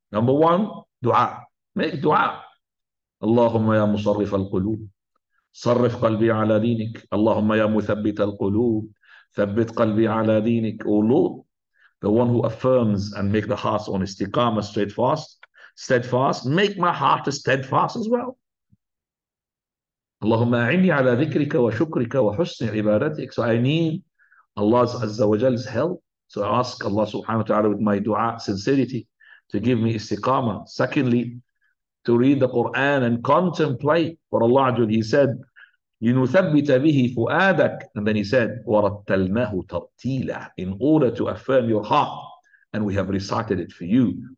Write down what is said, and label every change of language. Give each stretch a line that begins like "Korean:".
English: Number one, dua. Make dua.
Arabic: اللهم يا مصرف القلوب صرف قلبي على دينك
English: اللهم يا مثبت القلوب ثبت قلبي على دينك O Lord, the one who affirms and make the heart on istiqama steadfast, make my heart steadfast as well.
Arabic: اللهم أعني على ذكرك وشكرك وحسن عبادتك.
English: So I need Allah Azza wa Jal's help. So I ask Allah Subhanahu wa Ta'ala with my dua sincerity to give me istiqama. Secondly, to read the Quran and contemplate what Allah did. He said,
Arabic: يُنُثَبِّتَ بِهِ فُؤَادَكَ,
English: and then he said,
Arabic: وَرَتَّلْنَاهُ تَرْتِيلًا,
English: in order to affirm your heart, and we have recited it for you.